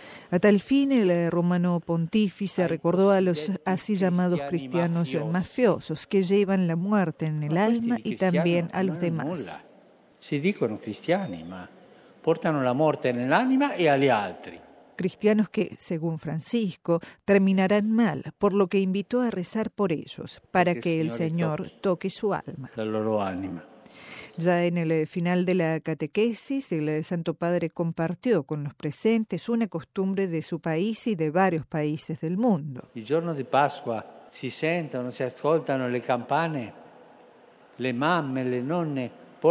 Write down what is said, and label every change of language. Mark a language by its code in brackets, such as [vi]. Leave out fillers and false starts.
[es] A tal fin, el romano pontífice recordó a los así llamados cristianos mafiosos que llevan la muerte en el alma y también a los demás. [it] Si dicono cristiani, ma portano la morte nell'anima e agli altri. [es] Cristianos que, según Francisco, terminarán mal, por lo que invitó a rezar por ellos, para que el Señor toque su alma. [it] La loro anima. [es] Ya en el final de la catequesis, el Santo Padre compartió con los presentes una costumbre de su país y de varios países del mundo. [it] Il giorno di Pasqua si sentono, si ascoltano le campane, le mamme, le nonne.